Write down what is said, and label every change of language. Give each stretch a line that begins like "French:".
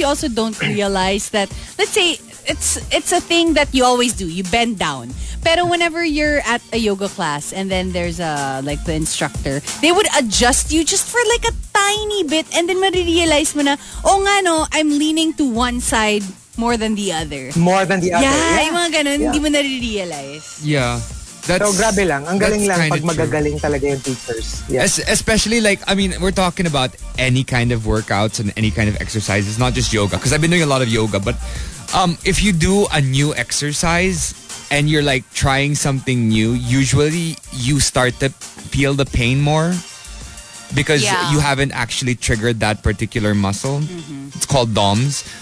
English: you also don't realize that, let's say, It's a thing that you always do. You bend down.
Filipino: Pero
English: whenever you're at a yoga class and then there's like the instructor, they would adjust you just for like a tiny bit, and then
Filipino: marirealize mo na, oh nga no,
English: I'm leaning to one side more than the other. More than the other. Yeah.
Filipino: Yung mga ganun, hindi mo marirealize.
English: Yeah. That's,
Filipino: pero grabe lang. Ang galing lang pag magagaling talaga yung teachers.
English: Yes. Especially like, I mean, we're talking about any kind of workouts and any kind of exercises, not just yoga. Because I've been doing a lot of yoga, but if you do a new exercise and you're like trying something new, usually you start to feel the pain more because you haven't actually triggered that particular muscle. Mm-hmm. It's called DOMS.